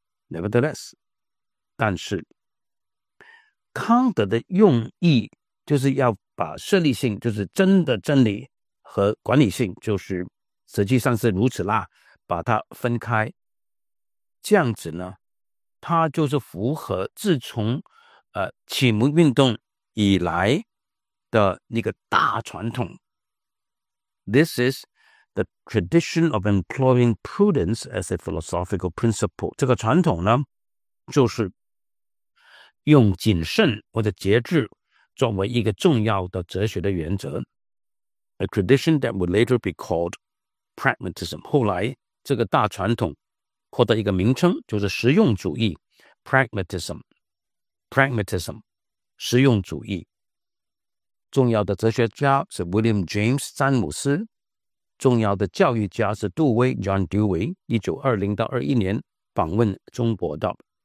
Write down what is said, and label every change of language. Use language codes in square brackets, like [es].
[zh] Nevertheless, 但是康德的用意就是要把设立性，就是真的真理和管理性，就是实际上是如此啦，把它分开。这样子呢，它就是符合自从启蒙运动以来的那个大传统。 [en] This is the tradition of employing prudence as a philosophical principle. [zh] 这个传统呢，就是用谨慎或者节制作为一个重要的哲学的原则。 [en] A tradition that would later be called pragmatism. [zh] 后来这个大传统获得一个名称，就是实用主义。 Pragmatism, 实用主义。重要的哲学家是 William James 詹姆斯，重要的教育家是杜威 John Dewey, 1920-21访问中国的。